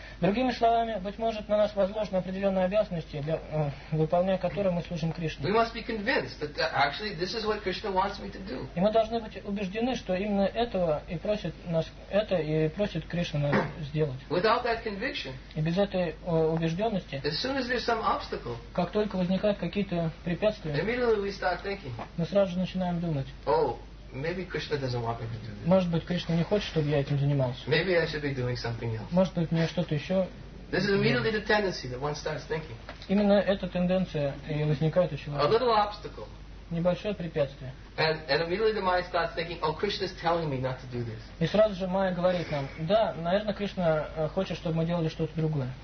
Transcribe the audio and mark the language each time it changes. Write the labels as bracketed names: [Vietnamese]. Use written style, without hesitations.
[Russian] Другими словами, быть может, на нас возложены определенные обязанности, выполняя которые мы служим Кришне. [English] We must be convinced that actually this is what Krishna wants me to do. [Russian] И мы должны быть убеждены, что именно этого и просит нас это и просит Кришна нас сделать. [English] Without that conviction. [Russian] И без этой убежденности. [English] As soon as there's some obstacle. [Russian] Как только возникают какие-то препятствия. [English] Immediately we start thinking. [Russian] Мы сразу же начинаем думать. [English] Oh. Maybe Krishna doesn't want me to do this. [Russian] Может быть, Кришна не хочет, чтобы я этим занимался. [English] Maybe I should be doing something else. [Russian] Может быть, мне что-то еще. [English] This is immediately the tendency that one starts thinking. [Russian] Именно эта тенденция и возникает у человека. [English] A little obstacle. [Russian] Небольшое препятствие. [English] And immediately the mind starts thinking, oh, Krishna is telling me not to do this. [Russian] И сразу же майя говорит нам, да, наверное, Кришна хочет, чтобы мы делали что-то другое.